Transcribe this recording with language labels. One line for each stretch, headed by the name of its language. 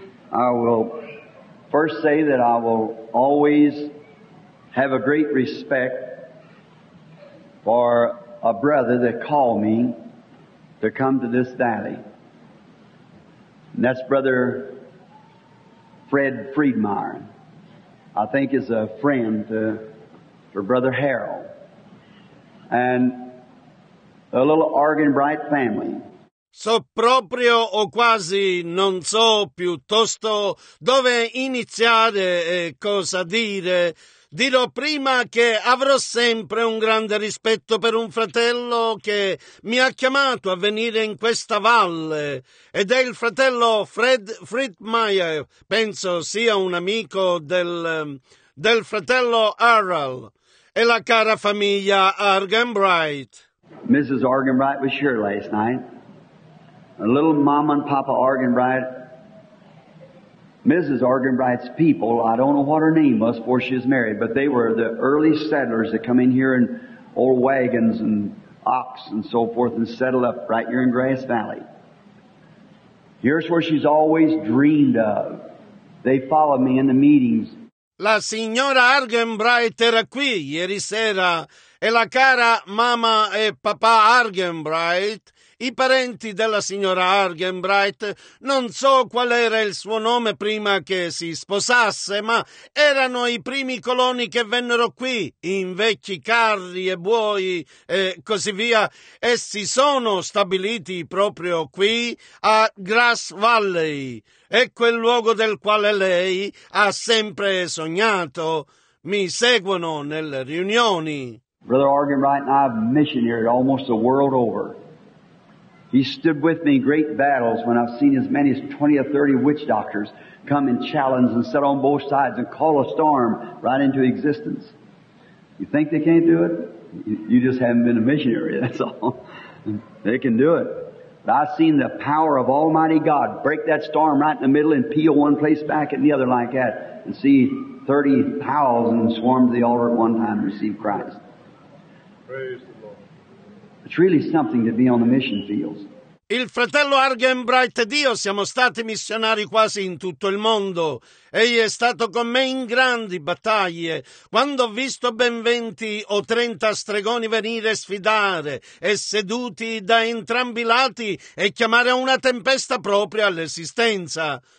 English: I will first say that I will always have a great respect for a brother that called me to come to this valley. And that's Brother Fred Friedmeier. I think is a friend to Brother Harold. And a little Argan Bright family.
Italian: So proprio o quasi non so piuttosto dove iniziare e cosa dire. Dirò prima che avrò sempre un grande rispetto per un fratello che mi ha chiamato a venire in questa valle, ed è il fratello Fred Friedmeier, penso sia un amico del fratello Harold e la cara famiglia Argenbright.
English: Mrs. Argenbright was here last night. A little mom and papa Argenbright. Mrs. Argenbright's people, I don't know what her name was before she was married, but they were the early settlers that come in here in old wagons and ox and so forth and settle up right here in Grass Valley. Here's where she's always dreamed of. They follow me in the meetings.
Italian: La signora Argenbright era qui ieri sera e la cara mamma e papà Argenbright. I parenti della signora Argenbright, non so qual era il suo nome prima che si sposasse, ma erano i primi coloni che vennero qui, in vecchi carri e buoi e così via, e si sono stabiliti proprio qui, a Grass Valley. È quel luogo del quale lei ha sempre sognato. Mi seguono nelle riunioni.
English: Brother Argenbright and I have missionary almost the world over. He stood with me in great battles when I've seen as many as 20 or 30 witch doctors come and challenge and sit on both sides and call a storm right into existence. You think they can't do it? You just haven't been a missionary, that's all. They can do it. But I've seen the power of Almighty God break that storm right in the middle and peel one place back and the other like that and see 30 howls and swarm to the altar at one time and receive Christ. Praise. It's really something to be on the mission fields.
Italian: Il fratello Argenbright ed io siamo stati missionari quasi in tutto il mondo. Egli è stato con me in grandi battaglie. Quando ho visto ben 20 o 30 stregoni venire sfidare e seduti da entrambi i lati e chiamare a una tempesta propria all'esistenza.